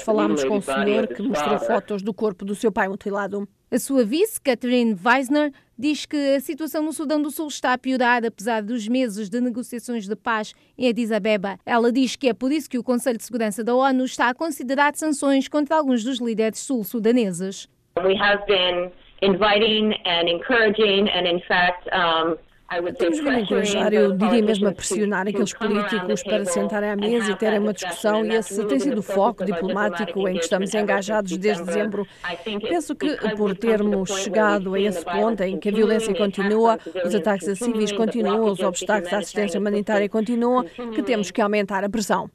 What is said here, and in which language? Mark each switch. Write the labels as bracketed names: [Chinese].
[Portuguese] Falámos com o senhor que mostrou fotos do corpo do seu pai mutilado. A sua vice, Catherine Weisner, diz que a situação no Sudão do Sul está a piorar apesar dos meses de negociações de paz em Addis Abeba. Ela diz que é por isso que o Conselho de Segurança da ONU está a considerar sanções contra alguns dos líderes sul-sudaneses. [English] We have been inviting and encouraging and in fact... [Portuguese] Temos vindo a encorajar, eu diria mesmo a pressionar aqueles políticos para sentarem à mesa e terem uma discussão, e esse tem sido o foco diplomático em que estamos engajados desde dezembro. Penso que por termos chegado a esse ponto em que a violência continua, os ataques a civis continuam, os obstáculos à assistência humanitária continuam, que temos que aumentar a pressão.